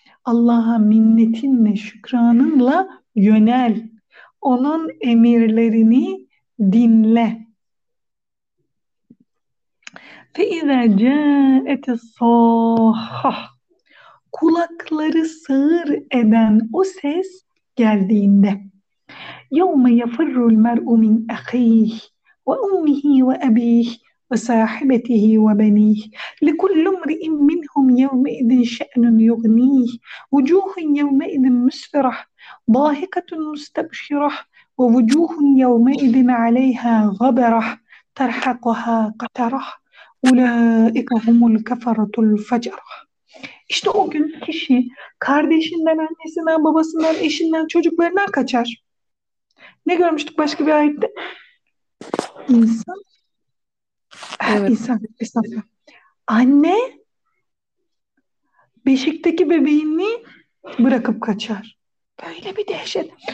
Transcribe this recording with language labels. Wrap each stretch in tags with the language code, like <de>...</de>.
<tr>Allah'a minnetinle, şükranınla yönel. Onun emirlerini dinle.</tr> <ar>فَاِذَا جَاءَتِ الصَّاخَّةُ</ar> <tr>Kulakları sağır eden o ses geldiğinde.</tr> <ar>يَوْمَ يَفِرُّ الْمَرْءُ مِنْ اَخِيهِ وَاُمِّهِ وَاَب۪يهِ وصاحبته وبنيه لكل امرئ منهم يومئذ شأن يغنيه وجوه يومئذ مسفرة ضاحكة مستبشرة ووجوه يومئذ عليها غبرة ترهقها قترة أولئك هم الكفرة الفجرة.</ar> <tr>İşte o gün kişi kardeşinden, annesinden, babasından, eşinden, çocuklarından kaçar. Ne görmüştük başka bir ayette? İnsan Evet. İnsan, estağfurullah. Anne beşikteki bebeğini bırakıp kaçar. Böyle bir dehşet.</tr>